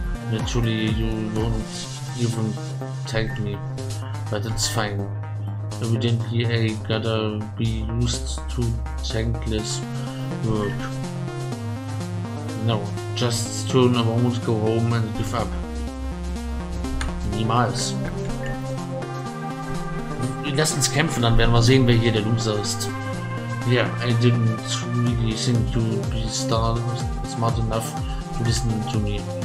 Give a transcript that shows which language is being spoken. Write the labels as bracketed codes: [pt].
[en] Naturally, you won't even tag me, but it's fine. Evidently, I gotta be used to thankless work. No, just turn around, go home and give up. [de] Niemals. Lass uns kämpfen, dann werden wir sehen, wer hier der Loser ist. [en] Yeah, I didn't really think you'd be smart enough to listen to me.